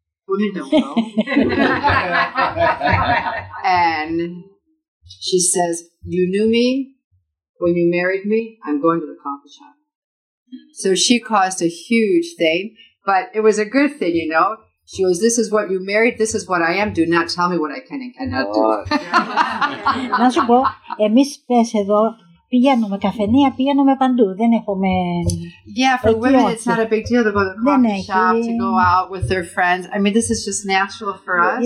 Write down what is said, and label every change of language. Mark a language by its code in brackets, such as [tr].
[en] Women don't go. And she says, you knew me? When you married me, I'm going to the coffee shop. So she caused a huge thing, but it was a good thing, you know. She goes, this is what you married, this is what I am. Do not tell me what I can and cannot do. [el] Να σου πω, εμείς πες εδώ, πηγαίνουμε καφενεία, πηγαίνουμε παντού. Δεν έχουμε... [en] Yeah, for women it's not a big deal to go to the coffee shop, to go out with their friends. I mean, this is just natural for us.